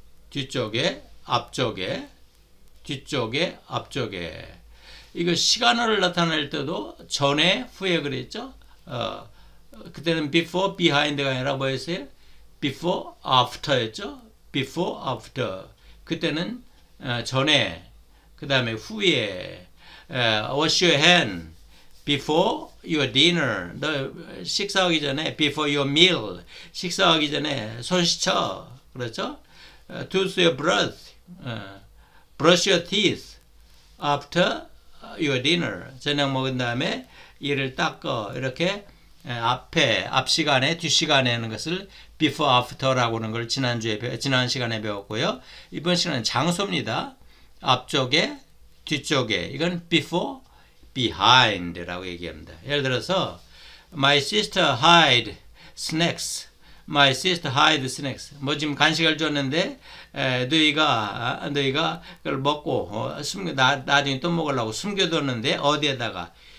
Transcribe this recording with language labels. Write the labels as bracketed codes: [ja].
[ko] 뒤쪽에, 앞쪽에, 뒤쪽에, 앞쪽에. 이거 시간을 나타낼 때도 전에, 후에 그랬죠? 그때는 [en] before, behind [ko] 가 아니라 뭐였어요? [en] before, after였죠? before, after. [ko] 그때는 전에, 그 다음에 후에. [en] wash your hand before your dinner. [ko] 너 식사하기 전에, [en] before your meal. [ko] 식사하기 전에 손 씻어. 그렇죠? [en] Toothpaste brush. Brush your teeth after your dinner. [ko] 저녁 먹은 다음에 이를 닦어. 이렇게 앞에, 앞 시간에, 뒤 시간에 하는 것을 [en] before, after [ko] 라고 하는 걸 지난 시간에 배웠고요. 이번 시간은 장소입니다. 앞쪽에, 뒤쪽에. 이건 [en] before, behind [ko] 라고 얘기합니다. [en] 예를 들어서, My sister hide snacks. My sister hide snacks. [ko] 뭐 지금 간식을 줬는데 너희가 그걸 먹고 숨겨 나중에 또 먹으려고 숨겨뒀는데 어디에다가?